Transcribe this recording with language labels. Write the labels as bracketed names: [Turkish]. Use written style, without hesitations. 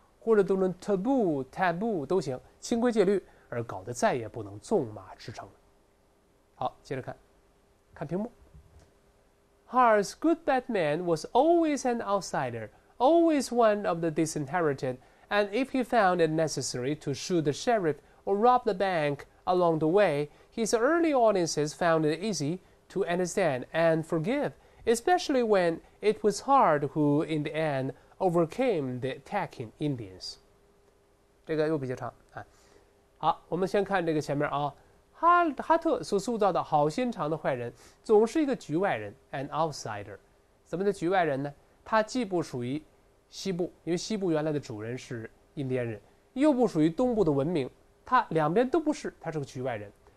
[Chinese] 或者都能 taboo 都行，清规戒律而搞得再也不能纵马驰骋了。好，接着看，看屏幕。 [English] Hearts, good bad man was always an outsider, always one of the disinherited, and if he found it necessary to shoot the sheriff or rob the bank along the way, his early audiences found it easy to understand and forgive, especially when it was Hard who, in the end, overcame the attacking Indians. 这个又比较长啊。 [Chinese] 好，我们先看这个前面啊。哈特所塑造的好心肠的坏人总是一个局外人 an outsider。怎么的局外人呢？他既不属于西部，因为西部原来的主人是印第安人，又不属于东部的文明，他两边都不是，他是个局外人。